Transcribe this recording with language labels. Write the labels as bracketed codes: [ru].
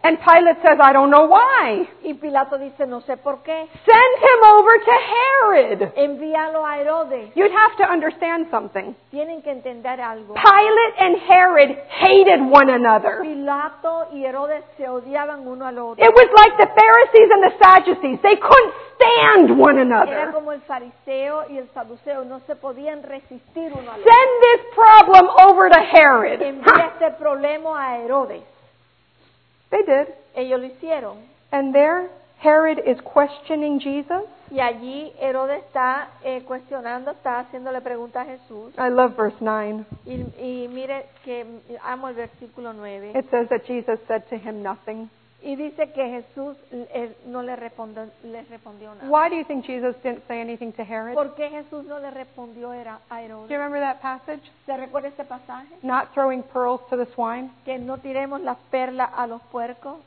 [en] And Pilate says, I don't know why. [es] Y Pilato dice, no sé por qué. [en] Send him over to Herod. [es] Envíalo a Herodes. [en] You'd have to understand something. [es] Tienen que entender algo. [en] Pilate and Herod hated one another. [es] Pilato y Herodes se odiaban uno al otro. [en] It was like the Pharisees and the Sadducees. They couldn't stand one another. [es] Era como el fariseo y el saduceo, no se podían resistir uno al otro. [en] Send this problem over to Herod. [es] Envía este problema a Herodes. [en] They did. [es] Ellos lo hicieron. [en] And there, Herod is questioning Jesus. [es] Y allí Herodes está cuestionando, está haciéndole preguntas a Jesús. [en] I love verse 9. [es] Y mire que amo el versículo 9. [en] It says that Jesus said to him nothing. [es] Y dice que Jesús no le respondió nada. [en] Why do you think Jesus didn't say anything to Herod? [es] ¿Por qué Jesús no le respondió a Herodes? [en] Do you remember that passage? [es] ¿Se recuerda ese pasaje? [en] Not throwing pearls to the swine. [es] Que no tiremos las perlas a los puercos.